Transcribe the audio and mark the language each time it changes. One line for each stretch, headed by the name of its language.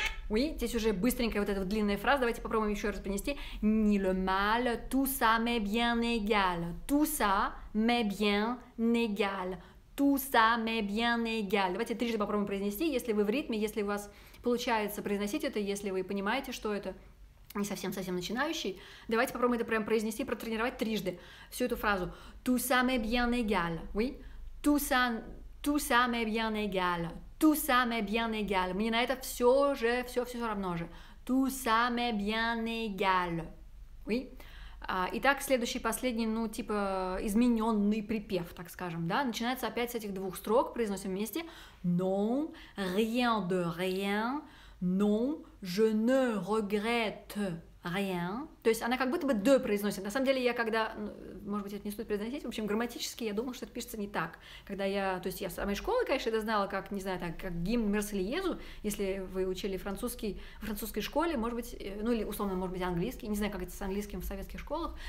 Russian: Oui, здесь уже быстренько вот эта вот длинная фраза, давайте попробуем еще раз понести.
French: Ni le mal, tout ça m'est bien égal. Tout ça m'est bien égal. Tout ça m'est bien égal.
Russian: Давайте трижды попробуем произнести, если вы в ритме, если у вас получается произносить это, если вы понимаете, что это не совсем-совсем начинающий. Давайте попробуем это прям произнести, протренировать трижды всю эту фразу.
French: Tout ça m'est bien égal. Oui. Tout ça m'est bien égal. Tout ça m'est bien égal.
Russian: Мне на это все же, все равно же.
French: Tout ça m'est bien égal. Oui.
Russian: Итак, следующий, последний, ну, типа, измененный припев, так скажем, да, начинается опять с этих двух строк, произносим вместе.
French: Non, rien de rien, non, je ne regrette rien.
Russian: То есть она как будто бы de произносит. На самом деле я когда, может быть, это не стоит произносить, в общем, грамматически я думала, что это пишется не так. Когда я, то есть я с самой школы, конечно, это знала, как, не знаю, так, как гимн Марсельезу, если вы учили французский в французской школе, может быть, ну или условно, может быть, английский, не знаю, как это с английским в советских школах.